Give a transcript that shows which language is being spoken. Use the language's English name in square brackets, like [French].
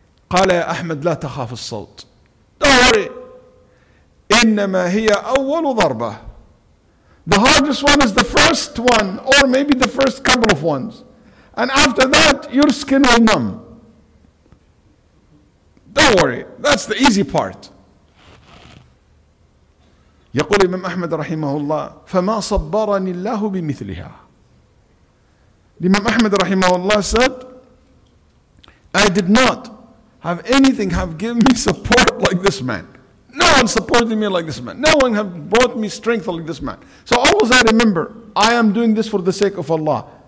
[Arabic] قال يا أحمد لا تخاف الصوت. [English] Don't worry. [Arabic] إنما هي أول ضربة. [English] The hardest one is the first one, or maybe the first couple of ones. And after that, your skin will numb. Don't worry. That's the easy part. [Arabic] يقول إمام أحمد رحمه الله فما صبرني الله بمثلها. [English] Imam Ahmad rahimahullah said, I did not have anything have given me support like this man. No one supported me like this man. No one have brought me strength like this man. So always I remember, I am doing this for the sake of Allah.